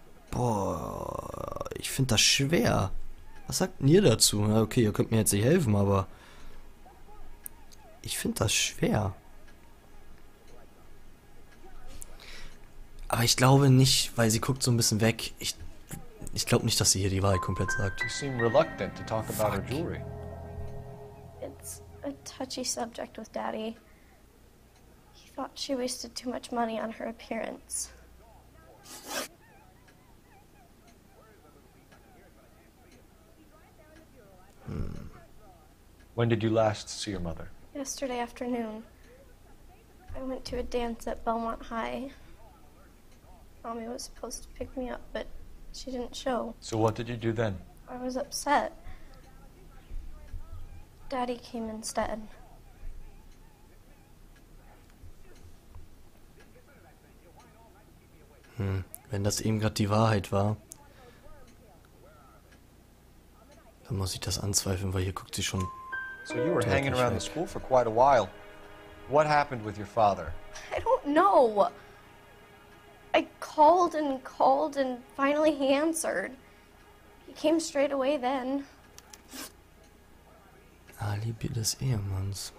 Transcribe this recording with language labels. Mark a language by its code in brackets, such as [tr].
[de] Boah, ich finde das schwer. Was sagt ihr dazu? Na, okay, ihr könnt mir jetzt nicht helfen, aber ich finde das schwer. Aber ich glaube nicht, weil sie guckt so ein bisschen weg. Ich glaube nicht, dass sie hier die Wahrheit komplett sagt. [en] You seem reluctant to talk about her jewelry. It's a touchy subject with Daddy. He thought she wasted too much money on her appearance. When did you last see your mother? Yesterday afternoon. I went to a dance at Belmont High. Mommy was supposed to pick me up, but she didn't show. So what did you do then? I was upset. Daddy came instead. [de] Wenn das eben gerade die Wahrheit war, dann muss ich das anzweifeln, weil hier guckt sie schon. [en] So you were hanging around the school for quite a while. What happened with your father? I don't know. I called and called and finally he answered. He came straight away then. [de] Alibi des Ehemanns.